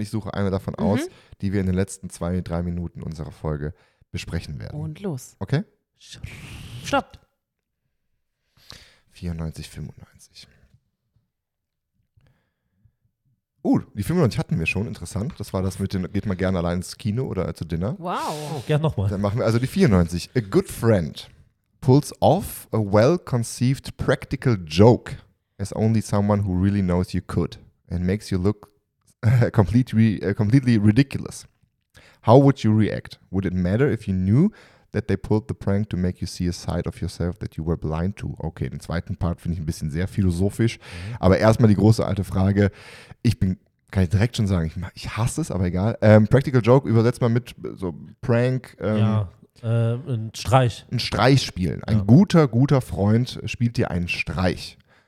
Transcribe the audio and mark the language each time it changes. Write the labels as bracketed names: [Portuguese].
[German] Ich suche eine davon aus, die wir in den letzten 2-3 Minuten unserer Folge besprechen werden. Und los. Okay? Stopp. 94, 95. Die 95 hatten wir schon, interessant. Das war das mit den, geht man gerne allein ins Kino oder zu Dinner. Wow. Gerne nochmal. Dann machen wir also die 94. [English] A good friend pulls off a well-conceived practical joke as only someone who really knows you could and makes you look completely ridiculous. How would you react? Would it matter if you knew that they pulled the prank to make you see a side of yourself that you were blind to. [German] Okay, den zweiten Part finde ich ein bisschen sehr philosophisch. Aber erstmal die große alte Frage. Kann ich direkt schon sagen, ich hasse es, aber egal. Practical Joke, übersetzt mal mit so Prank. Ein Streich. Ein Streich spielen. Ein guter Freund spielt dir einen Streich.